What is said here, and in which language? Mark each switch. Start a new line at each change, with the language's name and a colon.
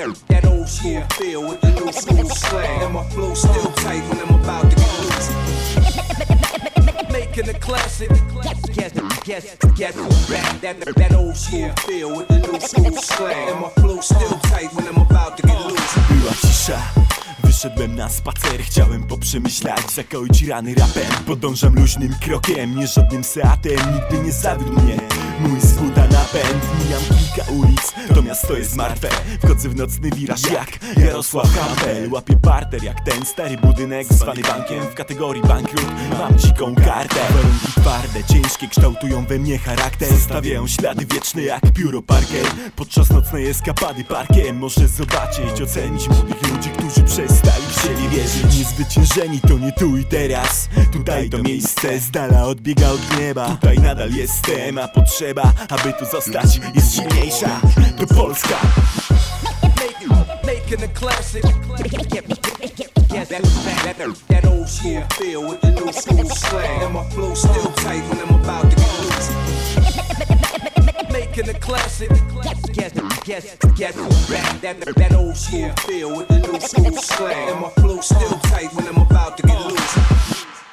English: That old school feel with the new school slang. And my flow still tight when I'm about to go. Making a classic. That old school feel with the new school slang. And my flow still tight when I'm about to get loose.
Polish: Była cisza. Wyszedłem na spacer, chciałem poprzemyślać, zakoić rany rapem. Podążam luźnym krokiem, nie żadnym Seatem. Nigdy nie zawiódł mnie mój zwód, a napęd. Mijam kilka ulic, to miasto jest martwe. Wchodzę w nocny wiraż jak Jarosław Hampel. Łapię parter jak ten stary budynek zwany bankiem. W kategorii bankrut mam dziką kartę. Warunki twarde, ciężkie kształtują we mnie charakter. Zostawiają ślady wieczne jak pióro parkiet. Podczas nocnej eskapady parkiem może zobaczyć, ocenić młodych ludzi, którzy przestali w siebie wierzyć. Niezwyciężeni to nie tu i teraz. Tutaj to miejsce z dala odbiega od nieba. Tutaj nadal jestem, a potrzeba, aby tu zostać, jest silniejsza. To Polska.
English: Making a classic. That old school feel with the new school slang. And my flow still tight when I'm about to go. Making a classic. That old school feel with the new school slang. And my flow still tight when I'm about to get loose.